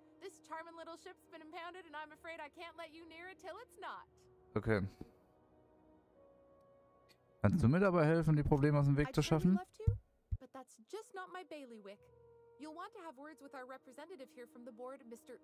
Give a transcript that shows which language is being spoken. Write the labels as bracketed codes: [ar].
[en] This charming little ship's been impounded and I'm afraid I can't let you near it till it's not. Okay. [de] Kannst du mir dabei helfen, die Probleme aus dem Weg zu schaffen? [en] But that's just not my bailiwick. You'll want to have words with our representative here from the board, Mr.